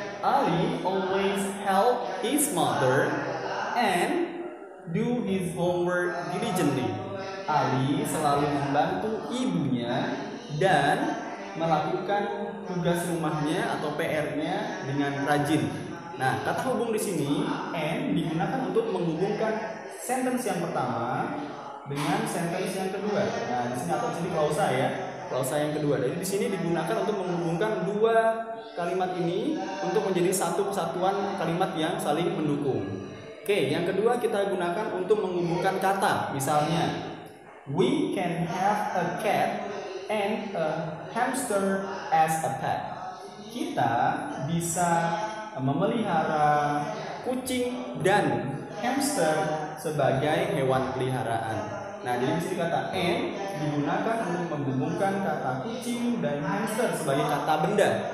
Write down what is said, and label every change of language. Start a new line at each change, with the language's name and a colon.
English: Ali always help his mother and do his homework diligently.
Indonesian: Ali selalu membantu ibunya dan melakukan tugas rumahnya atau PR-nya dengan rajin. Nah, kata hubung di sini and digunakan untuk menghubungkan sentence yang pertama dengan sentence yang kedua. Nah, di sini atau di sini klausa ya, klausa yang kedua. Jadi di sini digunakan untuk menghubungkan dua kalimat ini untuk menjadi satu kesatuan kalimat yang saling mendukung. Oke, yang kedua kita gunakan untuk menghubungkan kata.
English: Misalnya, we can have a cat and a hamster as a pet.
Indonesian: Kita bisa memelihara kucing dan hamster sebagai hewan peliharaan. Nah, jadi misalnya kata and digunakan untuk menghubungkan kata kucing dan hamster sebagai kata benda.